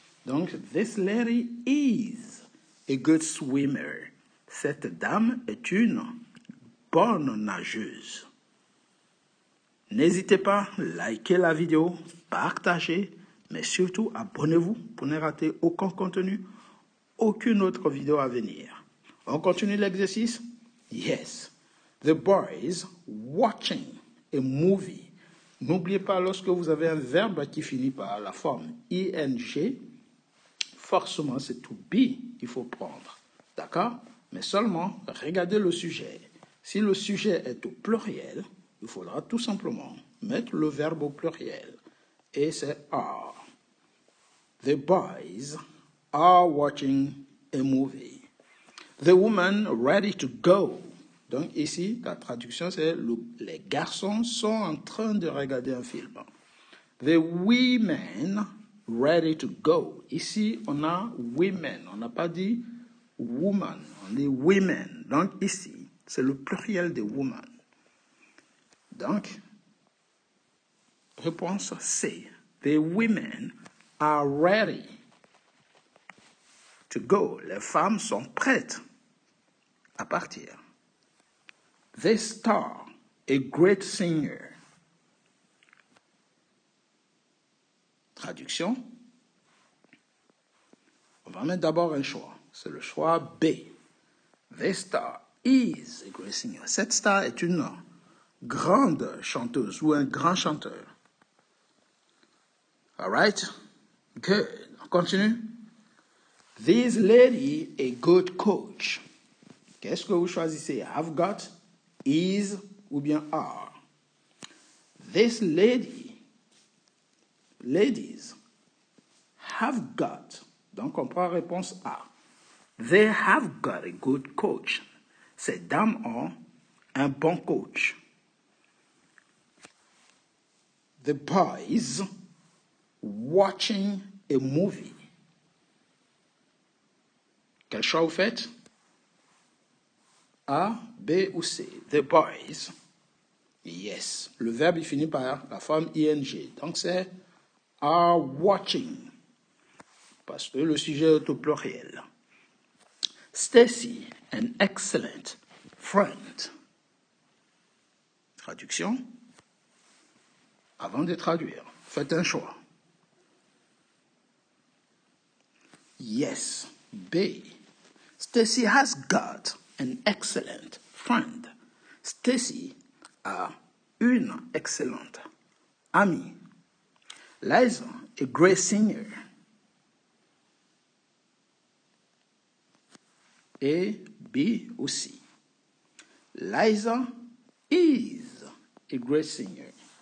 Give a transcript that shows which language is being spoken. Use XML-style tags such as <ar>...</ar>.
<en>Donc, this lady is a good swimmer.</en> <fr>Cette dame est une bonne nageuse. N'hésitez pas, likez la vidéo, partagez, mais surtout abonnez-vous pour ne rater aucun contenu, aucune autre vidéo à venir. On continue l'exercice?</fr> <en>Yes. The boys watching a movie.</en> <fr>N'oubliez pas, lorsque vous avez un verbe qui finit par la forme ing, forcément c'est to be qu'il faut prendre. D'accord? Mais seulement, regardez le sujet. Si le sujet est au pluriel, il faudra tout simplement mettre le verbe au pluriel. Et c'est are.</fr> <en>The boys are watching a movie. The woman ready to go.</en> <fr>Donc ici, la traduction c'est les garçons sont en train de regarder un film.</fr> <en>The women ready to go.</en> <fr>Ici, on a women. On n'a pas dit woman. On dit women. Donc ici, c'est le pluriel de woman. Donc, réponse C.</fr> <en>The women are ready to go.</en> <fr>Les femmes sont prêtes à partir.</fr> <en>The star, a great singer.</en> <fr>Traduction. On va mettre d'abord un choix. C'est le choix B.</fr> <en>The star is a great singer.</en> <fr>Cette star est une grande chanteuse ou un grand chanteur.</fr> <en>All right? Good.</en> <fr>On continue.</fr> <en>This lady is a good coach.</en> <fr>Qu'est-ce que vous choisissez?</fr> <en>I've got, is</en> <fr>ou bien</fr> <en>are. This lady, ladies, have got.</en> <fr>Donc, on prend réponse A.</fr> <en>They have got a good coach.</en> <fr>Ces dames ont un bon coach.</fr> <en>The boys watching a movie.</en> <fr>Quel choix vous faites? A, B ou C?</fr> <en>The boys. Yes.</en> <fr>Le verbe est fini par la forme ing. Donc c'est</fr> <en>are watching.</en> <fr>Parce que le sujet est au pluriel.</fr> <en>Stacy, an excellent friend.</en> <fr>Traduction. Avant de traduire, faites un choix.</fr> <en>Yes, B. Stacy has got an excellent friend.</en> <fr>Stacy a une excellente amie.</fr> <en>Liza, a great singer.</en> <fr>Et B aussi.</fr> <en>Liza is a great singer.</en>